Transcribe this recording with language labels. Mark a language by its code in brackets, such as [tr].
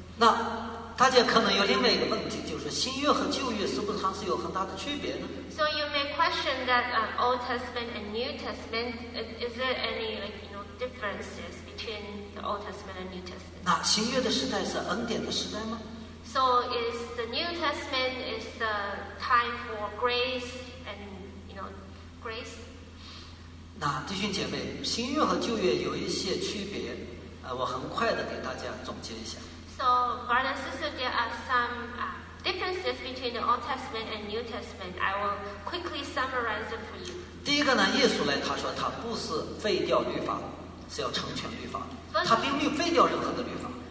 [zh] 那大家可能有另外一个问题，就是新约和旧约是不是还是有很大的区别呢？ [en] So you may question that Old Testament and New Testament, is there any, like, you know, differences between the Old Testament and New Testament? [zh] 那新约的时代是恩典的时代吗？ [en] So is the New Testament is the time for grace and, you know, grace? [zh] 那弟兄姐妹，新约和旧约有一些区别，我很快的给大家总结一下。 [en] So, brother and sister, there are some differences between the Old Testament and New Testament. I will quickly summarize them for you. [zh] 第一个呢，耶稣呢，他说他不是废掉律法，是要成全律法。他并没有废掉任何的律法。